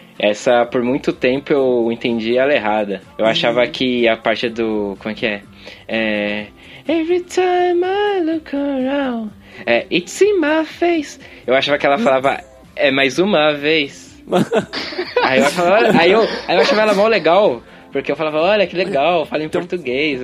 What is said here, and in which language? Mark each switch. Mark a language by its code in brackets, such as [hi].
[pt] Essa, por muito tempo, eu entendi ela errada. Eu achava que a parte do, como é que é? [en] Every time I look around, é, it's in my face. [pt] Eu achava que ela falava, é mais uma vez. aí eu achava ela mó legal, porque eu falava, olha que legal, fala em português.